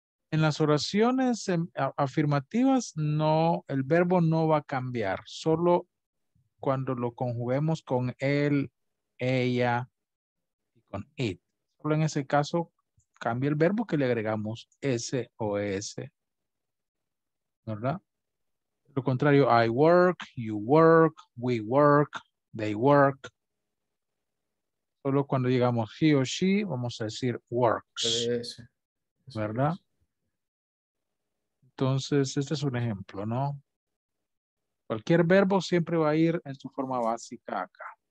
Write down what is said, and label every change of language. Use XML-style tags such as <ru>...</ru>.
<es>En las oraciones afirmativas, no, el verbo no va a cambiar. Solo cuando lo conjuguemos con él, ella, con it. Solo en ese caso cambia el verbo que le agregamos s o s. ¿Verdad? Lo contrario,</es> <en>I work, you work, we work, they work.</en> <es>Solo cuando digamos he o she, vamos a decir works. ¿Verdad? Entonces, este es un ejemplo, ¿no? Cualquier verbo siempre va a ir en su forma básica acá.</es>